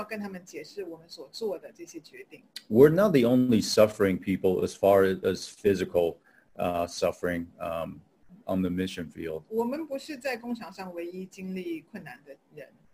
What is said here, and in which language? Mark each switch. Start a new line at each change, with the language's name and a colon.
Chinese: 当我们跟我们在工厂上这些一同服侍的同工在一起的时候，我们不需要跟他们解释我们所做的这些决定。
English: We're not the only suffering people as far as physical suffering on the mission field.
Chinese: 我们不是在工厂上唯一经历困难的人。